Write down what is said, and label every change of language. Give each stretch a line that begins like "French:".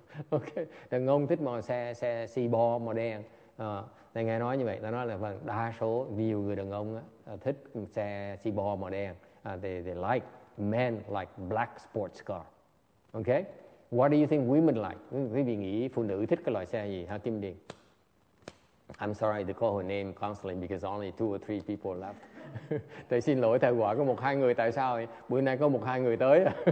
Vietnamese: Okay, đàn ông thích màu xe xì bò màu đen. Thầy nghe nói như vậy, ta nói là vâng, đa số nhiều người đàn ông thích xe xì bò màu đen.
English: They like men like black sports car. Okay, what do you think women like?
Vietnamese: Quý vị nghĩ phụ nữ thích cái loại xe gì? Hả Kim Điền?
English: I'm sorry to call her name constantly because only two or three people left.
Vietnamese: Thầy xin lỗi, thầy gọi có một hai người, tại sao bữa nay có một hai người tới.